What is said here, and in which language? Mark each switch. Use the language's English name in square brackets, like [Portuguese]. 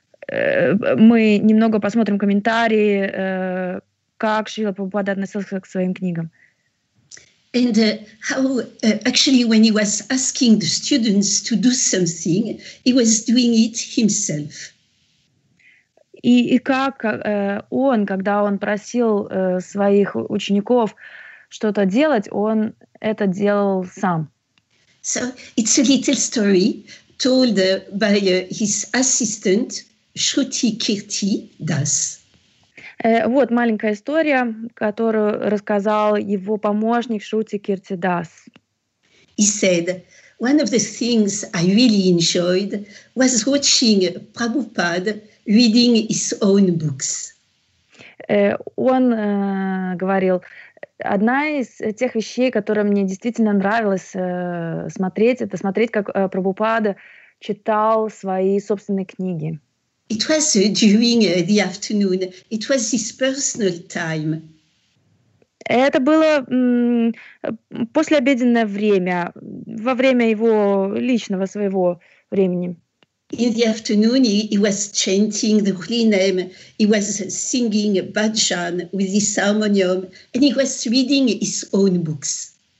[Russian] Мы немного посмотрим комментарии, как Шрила Прабхупада относился к своим книгам. [English] And how, actually, when he was asking the students to do something, he was doing it himself. [Russian] И как он, когда он просил своих учеников что-то делать, он это делал сам. [English] So it's a little story told by his assistant Shruti Kirti Das. [Russian] Вот маленькая история, которую рассказал его помощник Шрути Кирти Дас. [English] He said, one of the things I really enjoyed was watching Prabhupada reading his own books. [Russian] Он говорил, одна из тех вещей, которые мне действительно нравилось смотреть, это смотреть, как Прабхупада читал свои собственные книги. [English] It was during the afternoon. It was his personal time. [Russian] Это было послеобеденное время, во время его личного своего времени. [English] In the afternoon, he was chanting the holy name. He was singing bhajan with his harmonium, and he was reading his own books.